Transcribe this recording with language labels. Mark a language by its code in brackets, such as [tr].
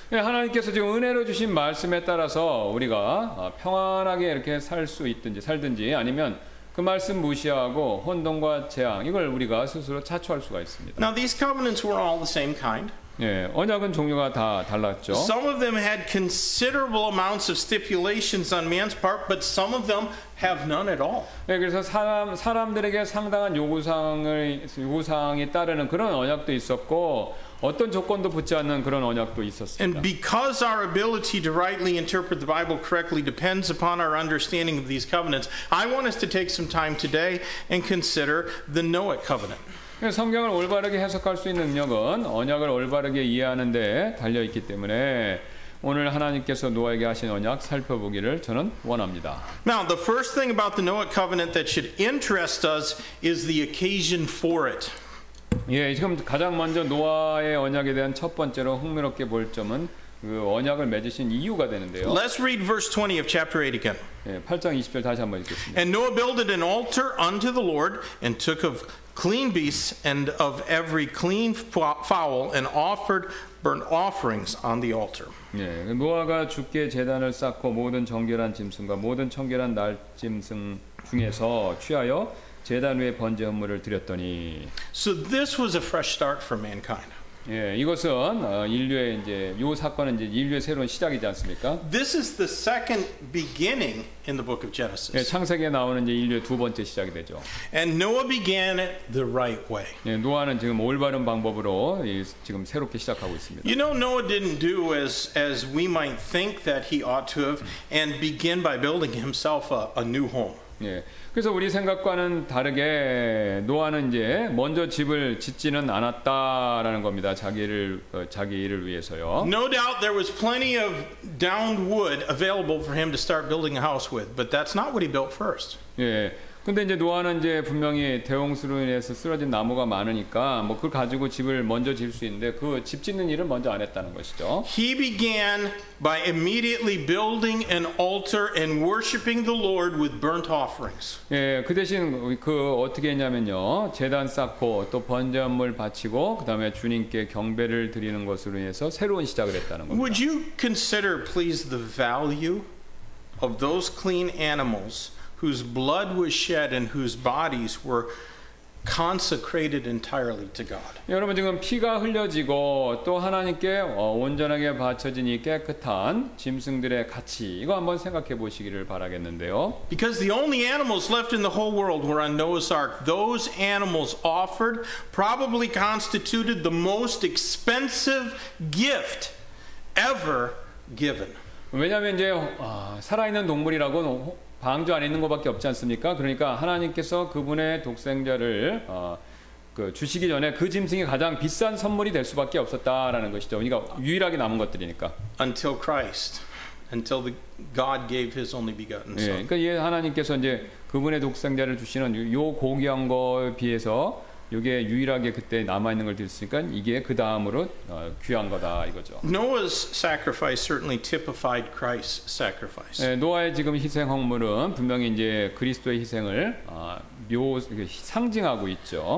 [ko] 예, 하나님께서 지금 은혜로 주신 말씀에 따라서 우리가 평안하게 이렇게 살 수 있든지 살든지 아니면 그 말씀 무시하고 혼돈과 재앙 이걸 우리가 스스로 자초할 수가 있습니다. [en] Now these covenants were all the same kind. [ko] 예, 언약은 종류가 다 달랐죠. [en] Some of them had considerable amounts of stipulations on man's part, but some of them have none at all. [ko] 예, 그래서 사람들에게 상당한 요구사항이 따르는 그런 언약도 있었고 어떤 조건도 붙지 않는 그런 언약도 있었습니다. [en] And because our ability to rightly interpret the Bible correctly depends upon our understanding of these covenants, I want us to take some time today and consider the Noahic covenant. [ko] 성경을 올바르게 해석할 수 있는 능력은 언약을 올바르게 이해하는 데 달려 있기 때문에 오늘 하나님께서 노아에게 하신 언약 살펴보기를 저는 원합니다. [en] Now the first thing about the Noahic covenant that should interest us is the occasion for it. [ko] 예, 지금 가장 먼저 노아의 언약에 대한 첫 번째로 흥미롭게 볼 점은 그 언약을 맺으신 이유가 되는데요. [en] Let's read verse 20 of chapter 8 again. [ko] 예, 8장 20절 다시 한번 읽겠습니다. [en] And Noah builded an altar unto the Lord and took of clean beasts and of every clean fowl and offered burnt offerings on the altar. [ko] 예, 노아가 주께 제단을 쌓고 모든 정결한 짐승과 모든 청결한 날 짐승 중에서 취하여 제단 위에 번제 헌물을 드렸더니. [en] So this was a fresh start for mankind. [ko] 예, 이것은 인류의 이제 요 사건은 이제 인류의 새로운 시작이지 않습니까? [en] This is the second beginning in the book of Genesis. [ko] 예, 창세기에 나오는 이제 인류의 두 번째 시작이 되죠. [en] And Noah began it the right way. [ko] 예, 노아는 지금 올바른 방법으로 지금 새롭게 시작하고 있습니다. [en] You know, Noah didn't do as we might think that he ought to have and begin by building himself a new home. [ko] 예. 그래서 우리 생각과는 다르게 노아는 이제 먼저 집을 짓지는 않았다라는 겁니다. 자기를 위해서요. [en] No doubt there was plenty of downed wood available for him to start building a house with, but that's not what he built first. [ko] 예. 근데 이제 노아는 이제 분명히 대홍수로 인해서 쓰러진 나무가 많으니까 뭐 그걸 가지고 집을 먼저 짓을 수 있는데 그 집 짓는 일을 먼저 안 했다는 것이죠. [en] He began by immediately building an altar and worshiping the Lord with burnt offerings. [ko] 예, 그 대신 그 어떻게 했냐면요. 제단 쌓고 또 번제물 바치고 그다음에 주님께 경배를 드리는 것으로 인해서 새로운 시작을 했다는 겁니다. [en] Would you consider please the value of those clean animals whose blood was shed and whose bodies were consecrated entirely to God. [ko] 여러분 지금 피가 흘려지고 또 하나님께 온전하게 바쳐진 이 깨끗한 짐승들의 가치 이거 한번 생각해 보시기를 바라겠는데요. [en] Because the only animals left in the whole world were on Noah's ark. Those animals offered probably constituted the most expensive gift ever given. [ko] 왜냐면 이제 살아있는 동물이라고는 방주 안에 있는 것밖에 없지 않습니까? 그러니까 하나님께서 그분의 독생자를 그 주시기 전에 그 짐승이 가장 비싼 선물이 될 수밖에 없었다라는 것이죠. 그러니까 유일하게 남은 것들이니까. [en] Until Christ, until the God gave His only begotten Son. [ko] 예, 그러니까 예, 하나님께서 이제 그분의 독생자를 주시는 요 고귀한 거에 비해서 이게 유일하게 그때 남아 있는 걸 드렸으니까 이게 그 다음으로 귀한 거다 이거죠. [en] Noah's sacrifice certainly typified Christ's sacrifice. [ko] 예, 노아의 지금 희생 헌물은 분명히 이제 그리스도의 희생을 상징하고 있죠.